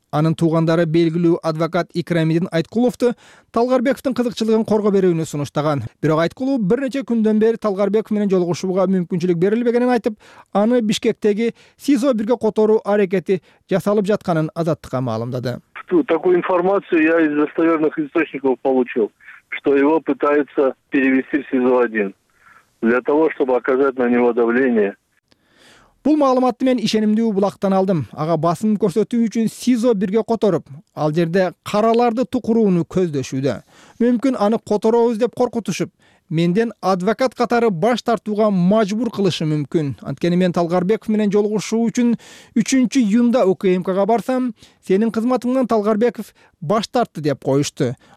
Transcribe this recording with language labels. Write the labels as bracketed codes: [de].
[ky] Анын туугандары белгилүү адвокат Икрамидин Айткуловту Талгарбековдун кызыкчылыгын корго берүүнү сунуштаган. Бирок Айткулов бир нече күндөн бери Талгарбеков менен жолугушууга мүмкүнчүлүк берилбегенин айтып, аны Бишкектеги СИЗО 1-ге которуу аракети жасалып жатканын Азаттыкка маалымдады. [ru] Такую информацию я из достоверных источников получил, что его пытаются перевести в СИЗО 1 для того, чтобы оказать на него давление. [ky] Бул маалыматты мен ишенимдүү булактан алдым. Ага басым көрсөтүү үчүн СИЗО 1-ге которуп, ал жерде караларды тукурууну көздөшүүдө. Мүмкүн аны которобуз деп коркутушуп, менден адвокат катары баш тартууга мажбур кылышы мүмкүн. Анткени мен Талгарбеков менен жолугушуу үчүн 3-июнда УКМКга барсам, сенин кызматыңдан Талгарбеков баш тартты деп коюшту.